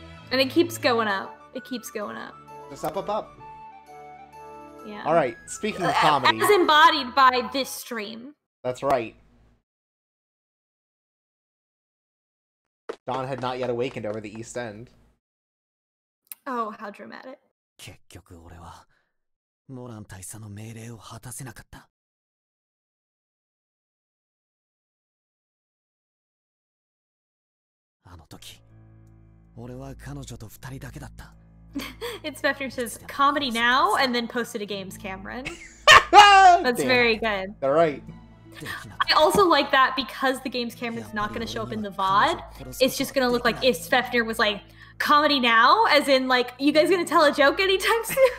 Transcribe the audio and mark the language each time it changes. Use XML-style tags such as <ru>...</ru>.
<en>And it keeps going up. It keeps going up. Just up, up, up. Yeah. All right, speaking of comedy. As embodied by this stream. That's right. Dawn had not yet awakened over the East End. Oh, how dramatic.</en> <ja>結局俺は、 モラン大佐の命令を果たせなかった。あの時、 俺は彼女と 2人だけだった。</ja> <en>Inspector says, comedy now, and then posted a games, Cameron. That's very good. All right. I also like that because the game's camera is not going to show up in the VOD. It's just going to look like if Svefner was like, comedy now, as in, like, you guys going to tell a joke anytime soon?</en>